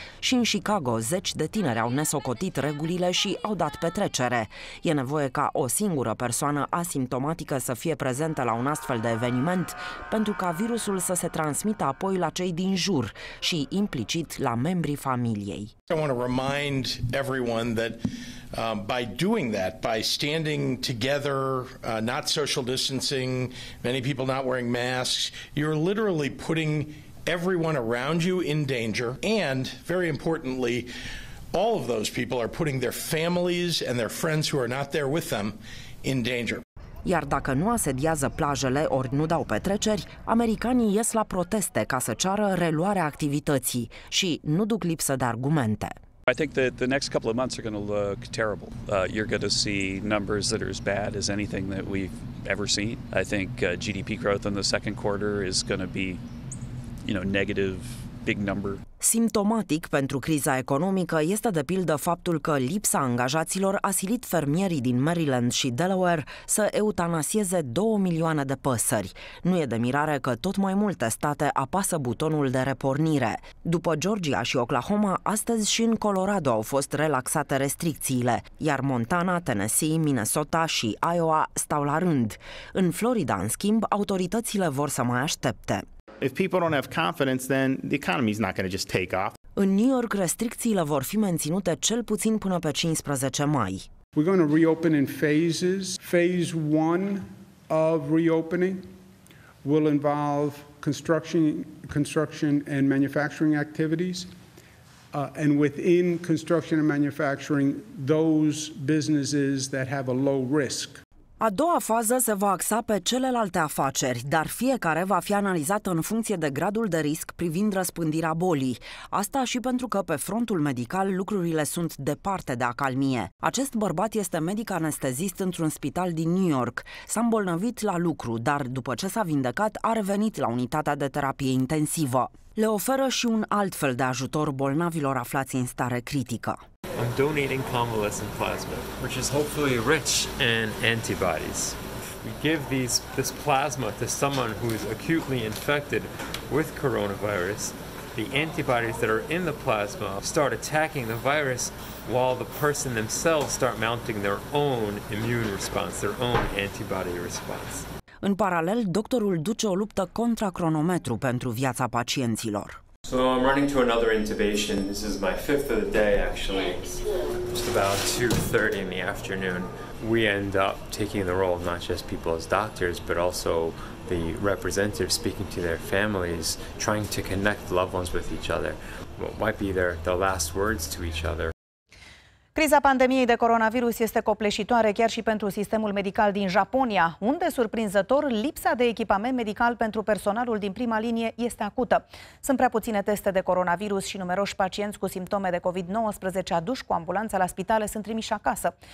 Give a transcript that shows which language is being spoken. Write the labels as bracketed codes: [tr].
[ro] Și în Chicago, zeci de tineri au nesocotit regulile și au dat petrecere. E nevoie ca o singură persoană asimptomatică să fie prezentă la un astfel de eveniment, pentru ca virusul să se transmită apoi la cei din jur și implicit la membrii familiei. [en] I want to remind everyone that by doing that, by standing together, not social distancing, many people not wearing masks, you're literally putting everyone around you in danger. And very importantly, all of those people are putting their families and their friends who are not there with them in danger. [ro] Iar dacă nu asediază plajele ori nu dau petreceri, americanii ies la proteste ca să ceară reluarea activității și nu duc lipsă de argumente. [en] I think that the next couple of months are going to look terrible. You're going to see numbers that are as bad as anything that we've ever seen. I think GDP growth in the second quarter is going to be, you know, negative, big number. [ro] Simptomatic pentru criza economică este de pildă faptul că lipsa angajaților a silit fermierii din Maryland și Delaware să eutanasieze 2 milioane de păsări. Nu e de mirare că tot mai multe state apasă butonul de repornire. După Georgia și Oklahoma, astăzi și în Colorado au fost relaxate restricțiile, iar Montana, Tennessee, Minnesota și Iowa stau la rând. În Florida, în schimb, autoritățile vor să mai aștepte. [en] If people don't have confidence, then the economy is not going to just take off. [ro] În New York, restricțiile vor fi menținute cel puțin până pe 15 mai. [en] We're going to reopen in phases. Phase 1 of reopening will involve construction and manufacturing activities. And within construction and manufacturing, those businesses that have a low risk. [ro] A doua fază se va axa pe celelalte afaceri, dar fiecare va fi analizată în funcție de gradul de risc privind răspândirea bolii. Asta și pentru că pe frontul medical lucrurile sunt departe de acalmie. Acest bărbat este medic anestezist într-un spital din New York. S-a îmbolnăvit la lucru, dar după ce s-a vindecat, a revenit la unitatea de terapie intensivă. Le oferă și un alt fel de ajutor bolnavilor aflați în stare critică. [en] I'm donating convalescent plasma, which is hopefully rich in antibodies. We give this plasma to someone who is acutely infected with coronavirus. The antibodies that are in the plasma start attacking the virus while the person themselves start mounting their own immune response, their own antibody response. [ro] În paralel, doctorul duce o luptă contra cronometru pentru viața pacienților. [en] So I'm running to another intubation. This is my fifth of the day, actually. It's about 2:30 in the afternoon. We end up taking the role of not just people as doctors, but also the representatives speaking to their families, trying to connect loved ones with each other. What might be their last words to each other? [ro] Criza pandemiei de coronavirus este copleșitoare chiar și pentru sistemul medical din Japonia, unde, surprinzător, lipsa de echipament medical pentru personalul din prima linie este acută. Sunt prea puține teste de coronavirus și numeroși pacienți cu simptome de COVID-19 aduși cu ambulanța la spitale sunt trimiși acasă.